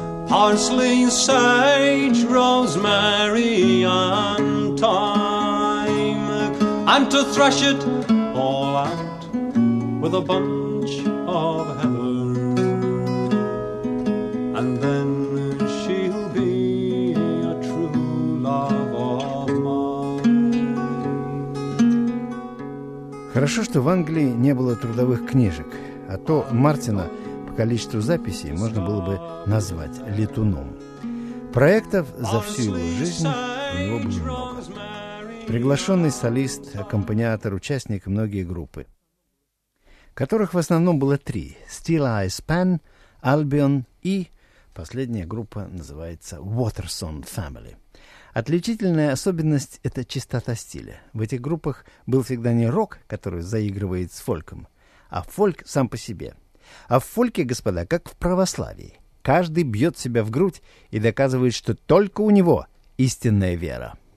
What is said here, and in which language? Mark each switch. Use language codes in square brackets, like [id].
[en] parsley, sage, rosemary, and thyme, and to thresh it all out with a bunch of heather, and then she'll be a true love of mine. [ru] Хорошо, что в Англии не было трудовых книжек, а то Мартина по количеству записей можно было бы назвать летуном. Проектов за всю его жизнь у него было много. Приглашенный солист, аккомпаниатор, участник многие группы, которых в основном было три. Steel Eyes Pan, Albion и последняя группа называется Waterson Family. Отличительная особенность – это чистота стиля. В этих группах был всегда не рок, который заигрывает с фольком, а фольк сам по себе. А в фольке, господа, как в православии. Каждый бьет себя в грудь и доказывает, что только у него истинная вера.